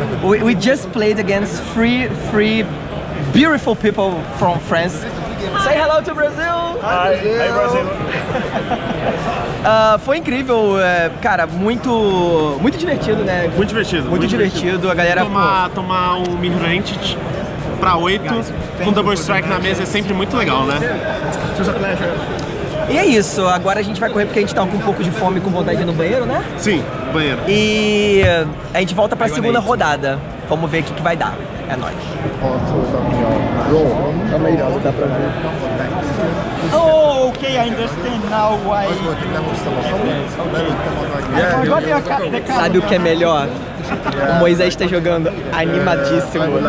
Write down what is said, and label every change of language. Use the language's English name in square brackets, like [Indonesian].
[English] We just played against three beautiful people from France. Say hello to Brazil! Hi Brazil! [Portuguese] Foi incrível, cara, muito, muito divertido, né? Muito divertido. A galera tomar um Mirvented pra 8 com Double Strike na mesa é sempre muito legal, né? [English] It was a pleasure. [Portuguese] E é isso, agora a gente vai correr porque a gente tá com um pouco de fome e com vontade de ir no banheiro, né? Sim, banheiro. E a gente volta pra segunda rodada. Vamos ver o que vai dar. É nóis. [English] Oh, okay, I understand now why. [Portuguese] Sabe o que é melhor? O Moisés tá jogando animadíssimo.